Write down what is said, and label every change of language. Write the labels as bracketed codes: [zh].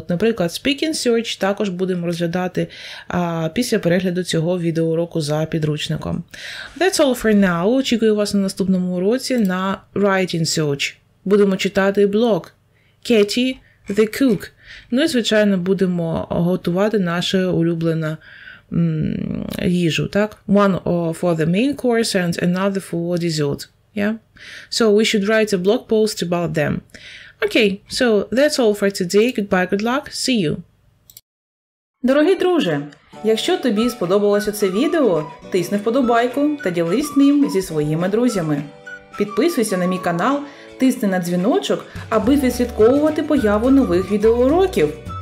[uk] От, наприклад, Speaking Search також будемо розглядати після перегляду цього відеоуроку за підручником. [en] That's all for now. [uk] Очікую вас на наступному уроці на Writing Search. Будемо читати блог Кеті The Cook. Ну і, звичайно, будемо готувати нашу улюблену їжу, так? [en] One for the main course and another for dessert, yeah? So we should write a blog post about them. Okay, so that's all for today. Goodbye, good luck, see you! [uk] Дорогі друже, якщо тобі сподобалося це відео, тисни вподобайку та ділись ним зі своїми друзями. Підписуйся на мій канал, тисни на дзвіночок, аби відслідковувати появу нових відеоуроків.